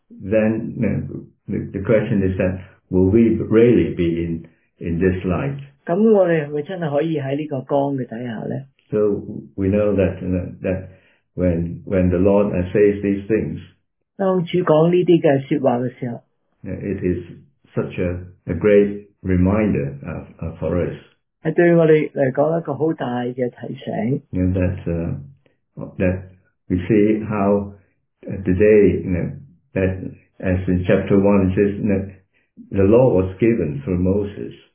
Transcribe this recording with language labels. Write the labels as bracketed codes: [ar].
[en] Then the question is that, will we really be in this light? [yue] 咁我哋係咪真係可以喺呢個光嘅底下咧？ [en] So we know that when the Lord says these things, [yue] 當主講呢啲嘅説話嘅時候， [en] it is such a great reminder for us. [yue] 係對我哋嚟講一個好大嘅提醒。 [en] And that we see how today, that as in chapter 1 it says that the law was given through Moses.